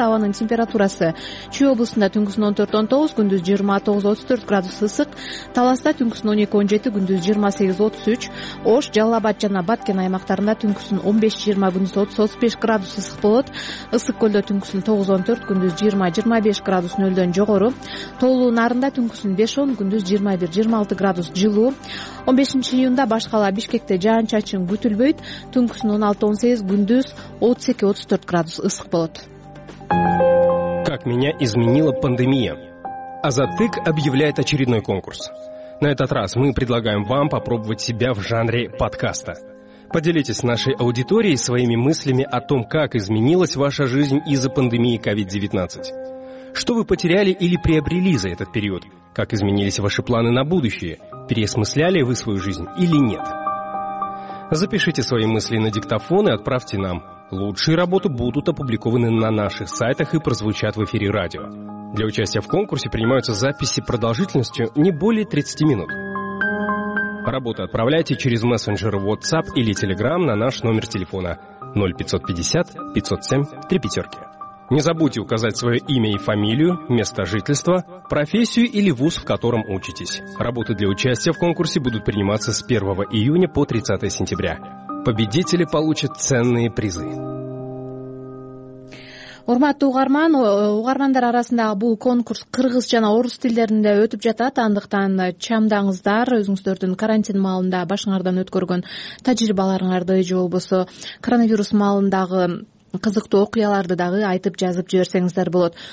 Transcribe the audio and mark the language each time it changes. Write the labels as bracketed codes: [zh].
[ky] Абанын температурасы Чүй облусунда түнкүсүн 14-19, күндүз 29-34 градус ысык, Таласта түнкүсүн 12-17, күндүз 28-33, Ош, Жалал Абад жана Баткен аймактарында түнкүсүн 15-20, күндүз 30-35 градус ысык болот, Ысык Көлдө түнкүсүн 9-14, күндүз 20-25 градус нөлдөн жогору, Тоолуу Нарында түнкүсүн 5-10, күндүз 21-26 градус жылуу. 15-июнда баш калада Бишкекте жаан чачын күтүлбөйт. Түнкүсүн 16-18, күндүз 32-34 градус ысык болот. [ru] Как меня изменила пандемия. Азаттык объявляет очередной конкурс. На этот раз мы предлагаем вам попробовать себя в жанре подкаста. Поделитесь с нашей аудиторией своими мыслями о том, как изменилась ваша жизнь из-за пандемии COVID-19. Что вы потеряли или приобрели за этот период? Как изменились ваши планы на будущее? Переосмысляли вы свою жизнь или нет? Запишите свои мысли на диктофон и отправьте нам. Лучшие работы будут опубликованы на наших сайтах и прозвучат в эфире радио. Для участия в конкурсе принимаются записи продолжительностью не более 30 минут. Работы отправляйте через мессенджер WhatsApp или Telegram на наш номер телефона 0550 507 35. Не забудьте указать свое имя и фамилию, место жительства, профессию или вуз, в котором учитесь. Работы для участия в конкурсе будут приниматься с 1 июня по 30 сентября. Победители получат ценные призы. [ky] Урматтуу угарман, угармандар арасындагы бул конкурс кыргыз жана орус тилдеринде өтүп жатат. Андыктан чамдаңыздар, өзүңүздөрдүн карантин маалында башыңардан өткөргөн тажрыйбаларыңарды, же болбосо коронавирус маалындагы кызыктуу окуяларды дагы айтып жазып жиберсеңиздер болот.